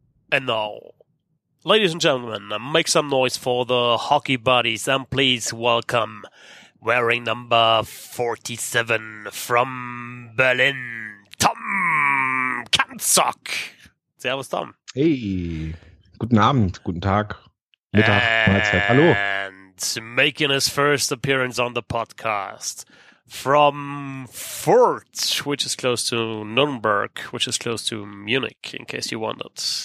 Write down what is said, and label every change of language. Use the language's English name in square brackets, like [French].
[English] And now, ladies and gentlemen, make some noise for the hockey buddies and please welcome wearing number 47 from Berlin, Tom Kanzock. [German] Servus, Tom. Hey, guten Abend, guten Tag, Mittag, Mahlzeit, hallo. [English] And making his first appearance on the podcast from Fürth, which is close to Nuremberg, which is close to Munich, in case you wondered.